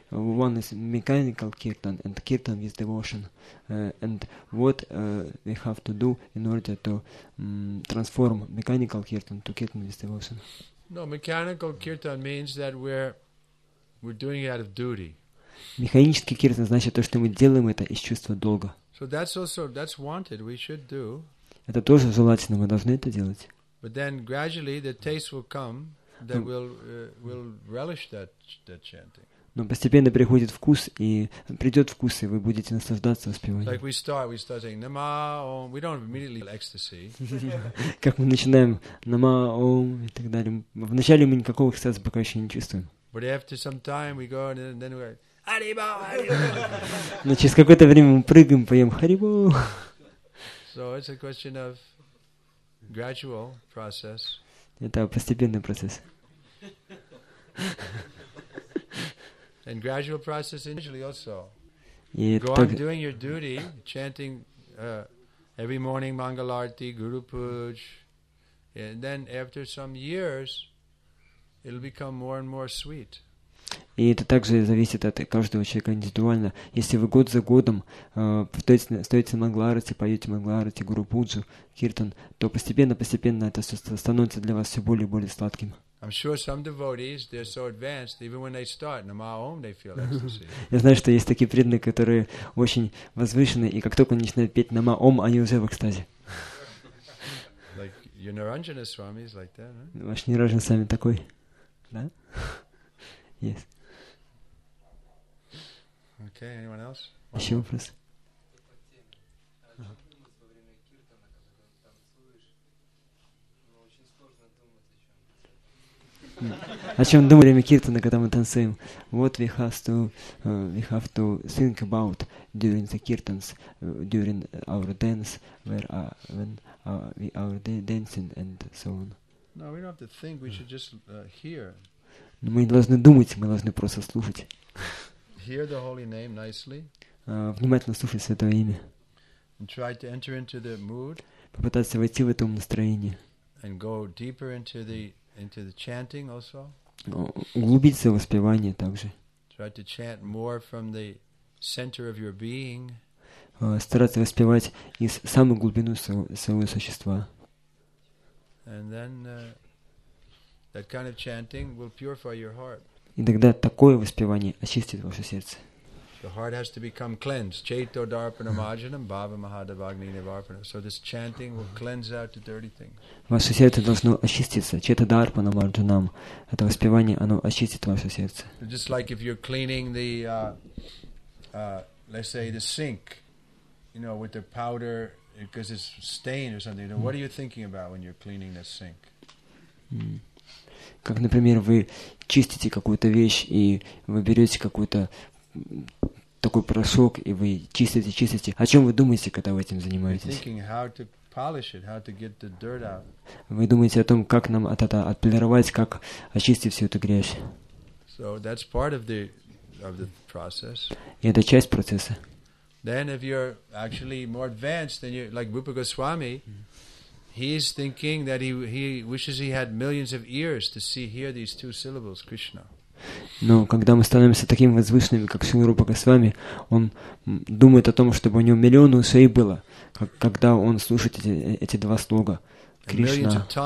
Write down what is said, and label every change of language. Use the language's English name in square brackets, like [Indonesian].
[English] One is mechanical kirtan and kirtan with devotion. And what we have to do in order to transform mechanical kirtan to kirtan with devotion? No, mechanical kirtan means that we're doing it out of duty. [Russian] Механический киртан значит то, что мы делаем это из чувства долга. [English] So that's also, that's wanted, we should do. [Russian] Это тоже желательно, мы должны это делать. [English] But then gradually the taste will come that will relish that chanting. [Russian] Но постепенно приходит вкус и придет вкус и вы будете наслаждаться воспеванием. [English] Like we start saying Nama Om, we don't immediately feel ecstasy. [Russian] Как мы начинаем Нама Ом и так далее. Вначале мы никакого экстаза пока еще не чувствуем. [English] But after some time we go and then we go, [Russian] но через какое-то время мы прыгаем, поем Харибо. [English] So it's a question of gradual process. [Russian] Это постепенный процесс. [English] And gradual process initially also. [Russian] И [English] go [Russian] так... [English] on doing your duty, chanting every morning Mangalarti, Guru Pooj, and then after some years, it'll become more and more sweet. [Russian] И это также зависит от каждого человека индивидуально. Если вы год за годом стоите Мангаларати, поете Мангаларати, Гуру Пуджу, Киртан, то постепенно это все становится для вас все более и более сладким. Я знаю, что есть такие преданные, которые очень возвышены, и как только они начинают петь Нама Ом, они уже в экстазе. Ваш Ниранджана Свами такой. Да? [English] Yes. Okay, anyone else? [Russian] Еще вопрос? О чем мы думаем во время киртана, когда мы танцуем? [English] What we have to think about during the kirtans, during our dance, when we are dancing and so on. No, we don't have to think, we should just hear. [Russian] Но мы не должны думать, мы должны просто слушать. [English] Hear the holy name nicely. [Russian] Внимательно слушать святое имя. [English] And try to enter into the mood. [Russian] Попытаться войти в это настроение. [English] And go deeper into the chanting also. [Russian] Углубиться в воспевание также. [English] Try to chant more from the center of your being. [Russian] Стараться воспевать из самой глубины своего существа. [English] And then that kind of chanting will purify your heart. [Russian] И тогда такое воспевание очистит ваше сердце. [English] The heart has to become cleansed. [Sanskrit] Chaito darpana marjanam bhava mahadavagni nivarpana. [English] So this chanting will cleanse out the dirty things. [Russian] Ваше сердце должно очиститься. [Sanskrit] Chaito darpana marjanam. [Russian] Это воспевание, оно очистит ваше сердце. [English] Just like if you're cleaning the, let's say, the sink, you know, with the powder, because it's stained or something. Mm. What are you thinking about when you're cleaning the sink? Mm. [Russian] Как, например, вы чистите какую-то вещь, и вы берете какой-то такой порошок, и вы чистите. О чем вы думаете, когда вы этим занимаетесь? Вы думаете о том, как нам это отполировать, как очистить всю эту грязь. И это часть процесса. [English] Then if you're actually more advanced, then you're like Rupa Goswami. He is thinking that he wishes he had millions of ears to see hear these two syllables, Krishna. [Russian] Но когда мы становимся такими возвышенными, как Шрила Рупа Госвами, он думает о том, чтобы у него миллионы ушей было, когда он слушает эти два слога, Кришна.